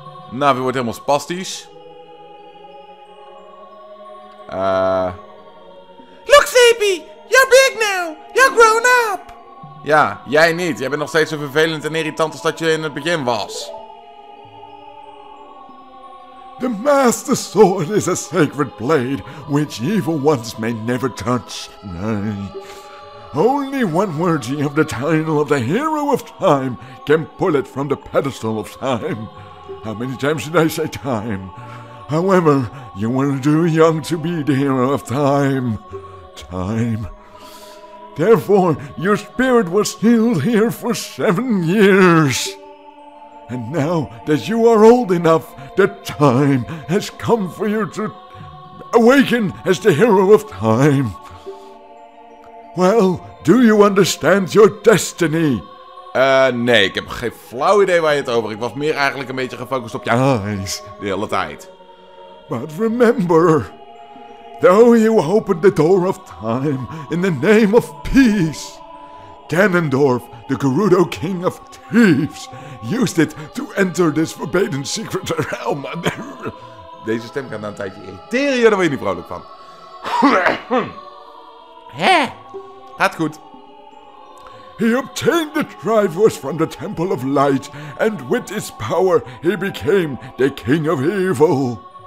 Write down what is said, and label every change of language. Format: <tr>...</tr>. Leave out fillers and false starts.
<nl>Navi wordt helemaal spastisch.</nl> <en>Look, Zepi! You're big now! You're grown up!</en> <nl>Ja, jij niet. Jij bent nog steeds zo vervelend en irritant als dat je in het begin was.</nl> <en>The Master Sword is a sacred blade which evil ones may never touch. Only one worthy of the title of the Hero of Time can pull it from the Pedestal of Time. How many times did I say time? However, you were too young to be the Hero of Time. Time. Therefore, your spirit was sealed here for 7 years. And now that you are old enough, the time has come for you to awaken as the Hero of Time. Well, do you understand your destiny?</en> <nl>Nee, ik heb geen flauw idee waar je het over. Ik was meer eigenlijk een beetje gefocust op je</nl> <en>eyes</en> <nl>de hele tijd.</nl> <en>But remember, though you opened the door of time in the name of peace, Ganondorf, the Gerudo King of Thieves, used it to enter this forbidden secret realm.</en> <nl>Deze stem kan na een tijdje irriteren, daar word je niet vrolijk van. Hè? Gaat goed.</nl> <en>He obtained the Triforce from the Temple of Light, and with its power he became the King of Evil.</en>